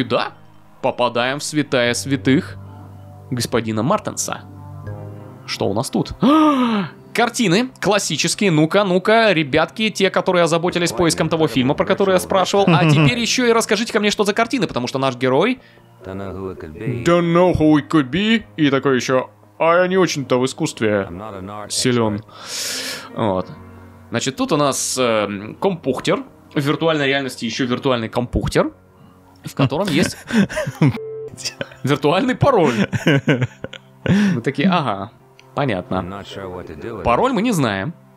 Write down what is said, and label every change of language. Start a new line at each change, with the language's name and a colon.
Russian: И да, попадаем в святая святых. Господина Мартенса. Что у нас тут? Картины классические. Ну-ка, ну-ка, ребятки, те, которые озаботились поиском того фильма, про который я спрашивал. А теперь еще и расскажите ко мне, что за картины, потому что наш герой...
English: Don't know who it could be.
Russian: И такой еще... А я не очень-то в искусстве силен. Вот. Значит, тут у нас компьютер. В виртуальной реальности еще виртуальный компьютер, в котором есть... Виртуальный пароль. Мы такие, ага, понятно. Пароль мы не знаем.